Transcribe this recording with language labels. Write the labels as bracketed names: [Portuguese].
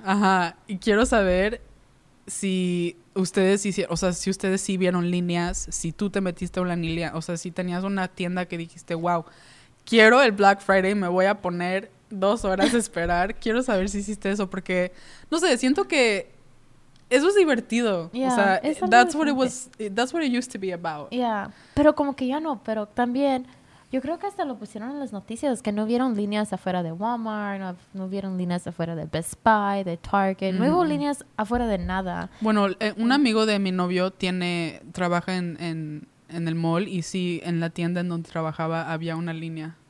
[Spanish] Ajá, y quiero saber si ustedes hicieron, o sea, si ustedes sí vieron líneas, si tú te metiste a una línea, o sea, si tenías una tienda que dijiste, wow, quiero el Black Friday, me voy a poner 2 horas a esperar. Quiero saber si hiciste eso, porque, no sé, siento que eso es divertido. [English] Yeah, [Spanish] o sea, [English] that's what it used to be about. [Spanish] Yeah, pero como que ya no, pero también, yo creo que hasta lo pusieron en las noticias, que no vieron líneas afuera de Walmart, no vieron líneas afuera de Best Buy, de Target, no hubo líneas afuera de nada. Bueno, un amigo de mi novio trabaja en el mall, y sí, en la tienda en donde trabajaba había una línea.